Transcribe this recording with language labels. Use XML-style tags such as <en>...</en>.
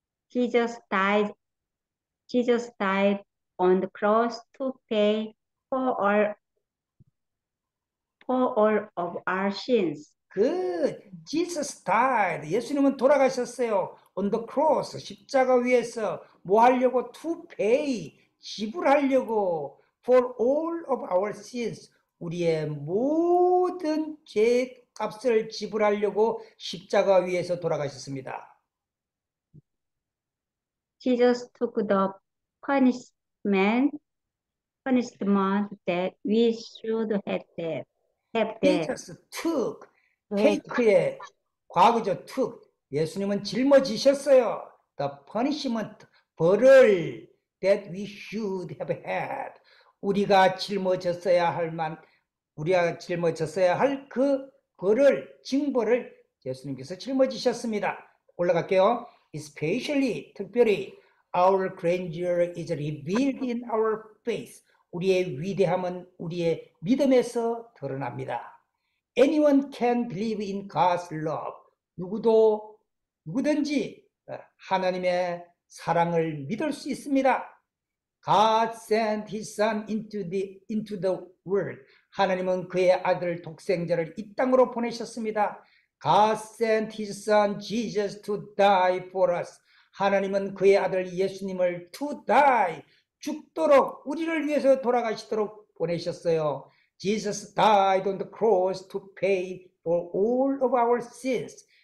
<en>Jesus died on the cross to pay for all of our sins. Good. Jesus died.</en> <ko>예수님은 돌아가셨어요.</ko> <en>On the cross</en> <ko>십자가 위에서 뭐 하려고</ko> <en>to pay</en> <ko>지불하려고</ko> <en>for all of our sins.</en> <ko>우리의 모든 죄값을 지불하려고 십자가 위에서 돌아가셨습니다.</ko> <en>Jesus took the punishment that we should have. Jesus took,</en> <ko>take의 과거죠,</ko> <en>took.</en> <ko>예수님은 짊어지셨어요.</ko> <en>The punishment,</en> <ko>벌을</ko> <en>that we should have had.</en> <ko>우리가 짊어졌어야 할 만 우리가 짊어졌어야 할 그 벌을, 징벌을 예수님께서 짊어지셨습니다. 올라갈게요.</ko> <en>Especially,</en> <ko>특별히</ko> <en>our grandeur is revealed in our faith.</en> <ko>우리의 위대함은 우리의 믿음에서 드러납니다.</ko> <en>Anyone can believe in God's love.</en> <ko>누구든지 하나님의 사랑을 믿을 수 있습니다.</ko> <en>God sent his son into the world.</en> <ko>하나님은 그의 아들 독생자를 이 땅으로 보내셨습니다.</ko> <en>God sent his son Jesus to die for us.</en> <ko>하나님은 그의 아들 예수님을</ko> <en>to die,</en> <ko>죽도록 우리를 위해서 돌아가시도록 보내셨어요.</ko> <en>Jesus died on the cross to pay for all of our sins.</en>